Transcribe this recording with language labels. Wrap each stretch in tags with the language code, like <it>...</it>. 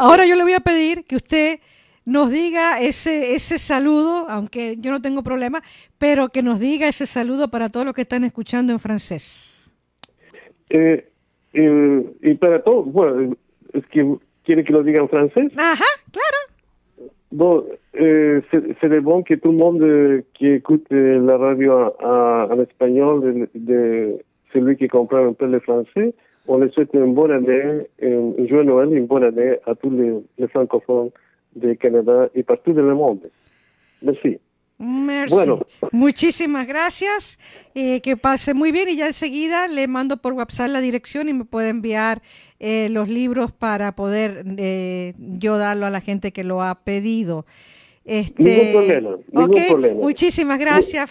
<es>ahora yo le voy a pedir que usted nos diga ese saludo, aunque yo no tengo problema, pero que nos diga ese saludo para todos los que están escuchando en francés. Y para todos, bueno, es que quiere que lo diga en francés. Ajá, claro. Bueno, sería bueno que todo el mundo que escute la radio en español de</es> <fr>celui qui comprend un peu le français, on le souhaite une bonne année, un joyeux Noël y une bonne année à tous les francophones de Canadá y partout dans le monde.</fr> <es>Merci. Bueno. Merci. Muchísimas gracias. Que pase muy bien y ya enseguida le mando por WhatsApp la dirección y me puede enviar los libros para poder yo darlo a la gente que lo ha pedido. Ningún problema, Ok, ningún problema. muchísimas gracias.</es>